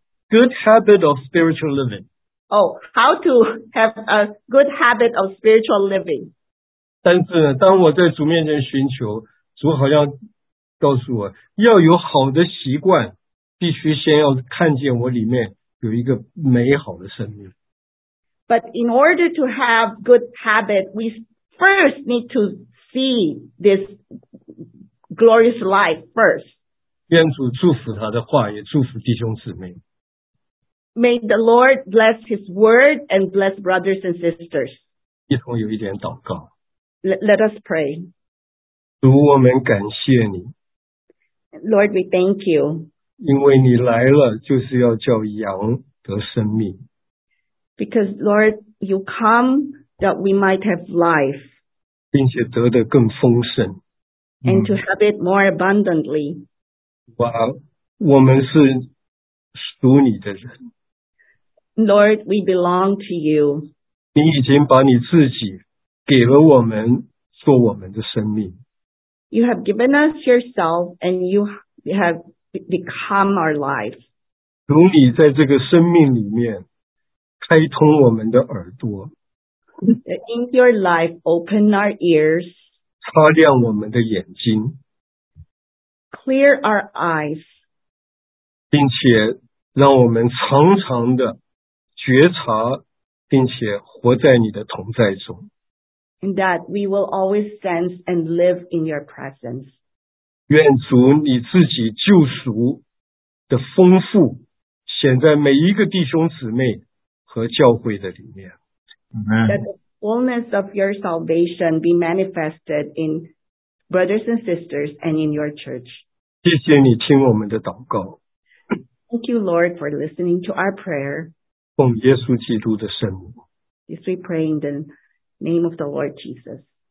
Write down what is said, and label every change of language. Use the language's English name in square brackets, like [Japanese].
[English] Good habit of spiritual living. Oh, how to have a good habit of spiritual living. [Chinese] 但是当我在主面前寻求，主好像告诉我，要有好的习惯，必须先要看见我里面有一个美好的生命。 [English] But in order to have good habit, we first need to see this glorious life first. [Chinese] 愿主祝福他的话，也祝福弟兄姊妹。 [English] May the Lord bless His word and bless brothers and sisters. [Chinese] 一同有一点祷告。 [English] Let us pray. [Chinese] 主，我们感谢你。 [English] Lord, we thank you. [Chinese] 因为你来了，就是要叫羊得生命。 [English] Because Lord, you come that we might have life. [Chinese] 并且得的更丰盛。 [English] And to have it more abundantly. [Chinese] 我们是属你的人。 [English] Lord, we belong to you. [Chinese] 你已经把你自己给了我们做我们的生命。 [English] You have given us yourself and you have become our life. [Chinese] 主，你在这个生命里面开通我们的耳朵。 [English] In your life, open our ears. [Chinese] 擦亮我们的眼睛。 [English] Clear our eyes. [Chinese] 并且让我们常常的觉察并且活在你的同在中。 [English] And that we will always sense and live in your presence. [Chinese] 愿主你自己救赎的丰富显在每一个弟兄姊妹和教会的里面。 [English] That the fullness of your salvation be manifested in brothers and sisters and in your church. [Chinese] 谢谢你听我们的祷告。 [English] Thank you, Lord, for listening to our prayer. [Chinese] 奉耶稣基督的圣名。 [English] This we pray in the name of the Lord Jesus.